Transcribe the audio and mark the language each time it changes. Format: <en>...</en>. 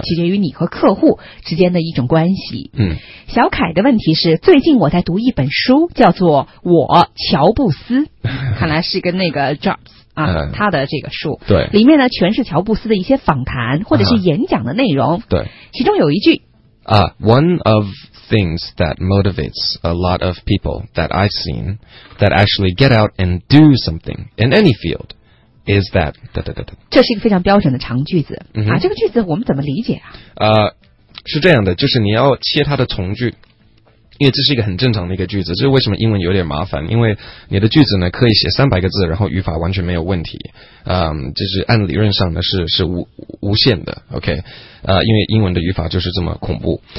<zh>取决于你和客户之间的一种关系。小凯的问题是，最近我在读一本书，叫做《我乔布斯》，看来是跟那个 Jobs 啊，他的这个书。对。里面呢，全是乔布斯的一些访谈或者是演讲的内容。对。其中有一句。</zh> <en>One of things that motivates a lot of people that I've seen that actually get out and do something in any field is that</en> <zh>这是一个非常标准的长句子啊，这个句子我们怎么理解啊？是这样的，就是你要切它的从句，因为这是一个很正常的一个句子，这是为什么英文有点麻烦，因为你的句子呢可以写300个字，然后语法完全没有问题，就是按理论上呢是无限的 ，OK， 因为英文的语法就是这么恐怖。</zh>